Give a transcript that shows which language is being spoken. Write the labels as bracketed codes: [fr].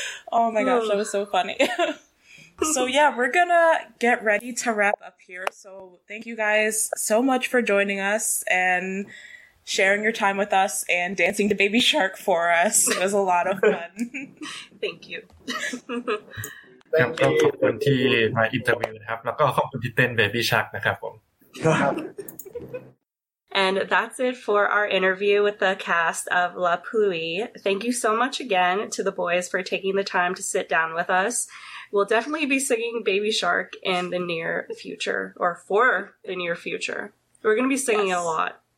[en] Oh my gosh, that was so funny. So yeah, we're gonna get ready to wrap up here. So thank you guys so much for joining us and sharing your time with us and dancing to Baby Shark for us. It was a lot of fun. Thank you. Thank you. [th] ขอบคุณที่มาอินเตอร์วิวนะครับแล้วก็ขอบคุณที่เต้น Baby Shark นะครับผม [en] And that's it for our interview with the cast of La Pluie. Thank you so much again to the boys for taking the time to sit down with us. We'll definitely be singing Baby Shark in the near future, or for the near future. We're going to be singing yes. a lot.